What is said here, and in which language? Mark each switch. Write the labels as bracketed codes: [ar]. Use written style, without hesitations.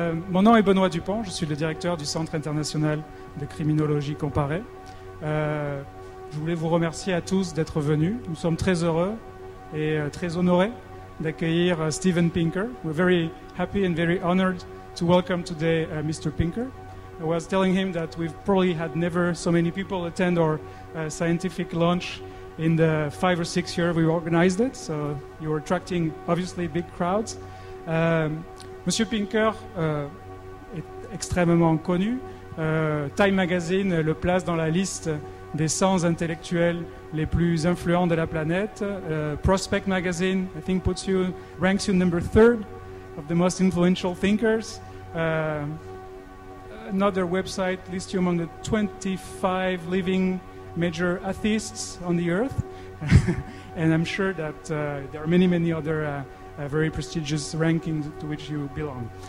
[fr] Mon nom est Benoît Dupont, je suis le directeur du Centre international de criminologie comparée. Je voulais vous remercier à tous d'être venus. Nous sommes très heureux et très honorés d'accueillir Steven Pinker. [en] We're very happy and very honored to welcome today Mr. Pinker. I was telling him that we've probably had never so many people attend our scientific launch in the 5 or 6 years we organized it. So you were attracting obviously big crowds. [fr] Monsieur Pinker est extrêmement connu. Time Magazine le place dans la liste des 100 intellectuels les plus influents de la planète. [en] Prospect Magazine, I think, puts you, ranks you number 3rd of the most influential thinkers. Another website lists you among the 25 living major atheists on the earth. And I'm sure that there are many, many other very prestigious rankings to which you belong.